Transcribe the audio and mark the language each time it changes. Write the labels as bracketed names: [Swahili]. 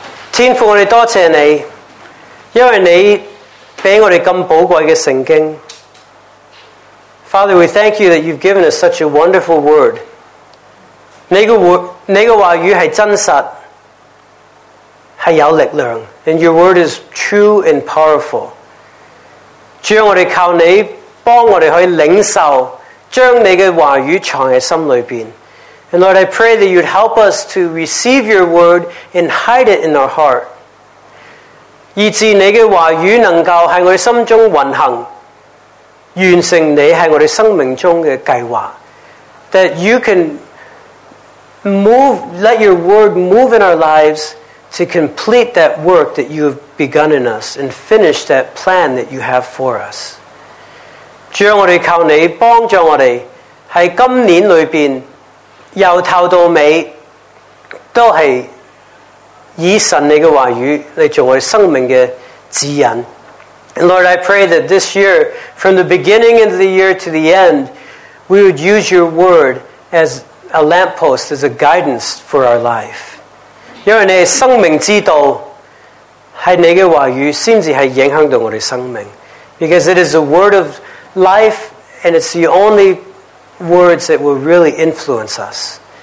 [Chinese] 天父，我们多谢你，因为你给我们这么宝贵的圣经。 [English] Father, we thank you that you've given us such a wonderful word. [Chinese] 你的话语是真实，是有力量， [English] and your word is true and powerful. [Chinese] 主，我们靠你帮我们去领受，将你的话语藏在心里面。 [English] And Lord, I pray that you'd help us to receive your word and hide it in our heart. [Chinese] 以致你的话语能够在我们心中运行，完成你在我们生命中的计划。 [English] That you can move, let your word move in our lives to complete that work that you've begun in us and finish that plan that you have for us. [Chinese] 主，我们靠你帮助我们在今年里面由头到尾都是以神你的话语来作为生命的指引。 [English] And Lord, I pray that this year, from the beginning of the year to the end, we would use your word as a lamppost, as a guidance for our life. [Chinese] 因为你的生命之道是你的话语才是影响到我的生命。 [English] Because it is the word of life, and it's the only words that will really influence us.